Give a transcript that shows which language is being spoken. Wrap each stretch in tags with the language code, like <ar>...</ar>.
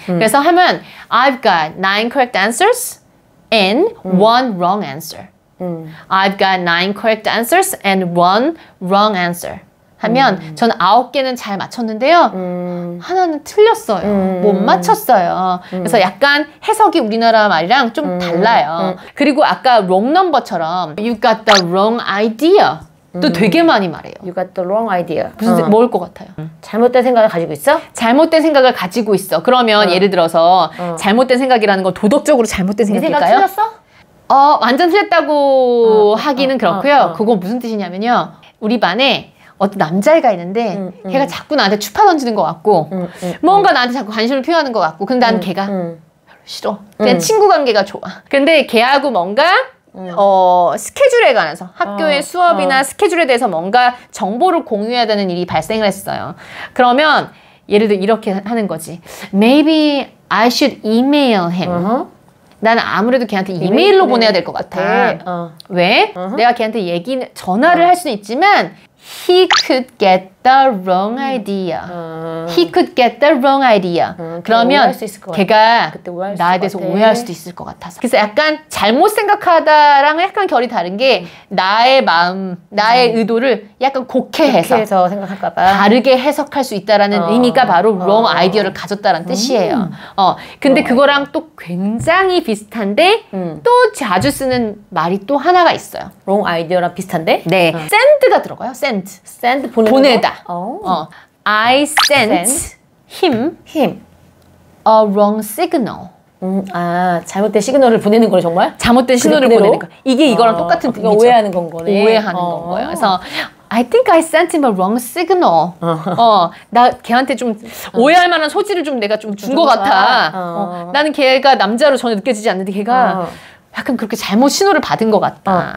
<ko>그래서 하면</ko> <en>I've got 9 correct answers and 1 wrong answer. I've got 9 correct answers and 1 wrong answer.</en> <ko>하면 전 9개는 잘 맞췄는데요. 하나는 틀렸어요. 못 맞췄어요. 그래서 약간 해석이 우리나라 말이랑 좀 달라요. 그리고 아까</ko> <en>wrong number처럼 You've got the wrong idea.</en> <ko>또 되게 많이 말해요.</ko> <en>You got the wrong idea.</en> <ko>무슨 뭘 것 같아요? 잘못된 생각을 가지고 있어? 잘못된 생각을 가지고 있어. 그러면 예를 들어서 잘못된 생각이라는 건 도덕적으로 잘못된 생각일까요? 네 생각 틀렸어? 완전 틀렸다고 하기는 그렇고요. 그거 무슨 뜻이냐면요. 우리 반에 어떤 남자애가 있는데 걔가 자꾸 나한테 추파 던지는 것 같고 뭔가 나한테 자꾸 관심을 표현하는 것 같고 근데 난 걔가 별로 싫어. 그냥 친구 관계가 좋아. 근데 걔하고 뭔가 스케줄에 관해서 학교의 수업이나 스케줄에 대해서 뭔가 정보를 공유해야 되는 일이 발생을 했어요. 그러면 예를 들어 이렇게 하는 거지.</ko> <en>Maybe I should email him.</en> <ko>난 아무래도 걔한테 이메일로 보내야 될 것 같아. 왜? 내가 걔한테 전화를 할 수는 있지만</ko> <en>He could get the wrong idea. He could get the wrong idea.</en> <ko>그러면 걔가 나에 대해서 오해할 수도 있을 것 같아서. 그래서 약간 잘못 생각하다랑 약간 결이 다른 게 나의 마음, 나의 의도를 약간 곡해해서 생각할까봐 다르게 해석할 수 있다라는 의미가 바로 wrong idea를 가졌다라는 뜻이에요. 근데 그거랑 또 굉장히 비슷한데 또 자주 쓰는 말이 또 하나가 있어요. wrong idea랑 비슷한데? 네. send가 들어가요. send 보내다.</ko> <en>I sent him a wrong signal.</en> <ko>아, 잘못된 시그널을 보내는 거예요, 정말? 잘못된 시그널을 그대로? 보내는 거. 이게 이거랑 똑같은 뜻이죠. 그러니까 오해하는 건 거네. 오해하는 건 거예요. 그래서</ko> <en>I think I sent him a wrong signal.</en> <ko>나 걔한테 좀 오해할 만한 소지를 좀 내가 좀 준 것 같아. 나는 걔가 남자로 전혀 느껴지지 않는데 걔가 약간 그렇게 잘못 신호를 받은 것 같다.</ko>